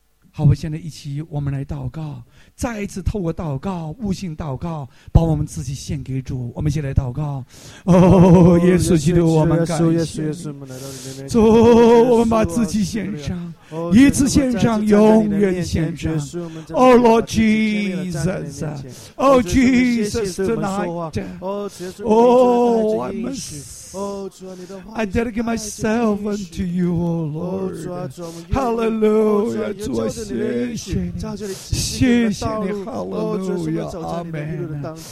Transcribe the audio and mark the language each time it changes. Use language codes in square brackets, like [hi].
[zh] 好，我现在一起我们来祷告，再一次透过祷告，悟性祷告，把我们自己献给主。我们一起来祷告。哦，耶稣基督，我们感谢主，我们把自己献上，一次献上，永远献上。 [en] Oh Lord Jesus, Oh Jesus tonight, Oh, I must I dedicate myself unto you, O Lord. [zh] Hallelujah, 主啊，谢谢你，谢谢你 ，Hallelujah, Amen.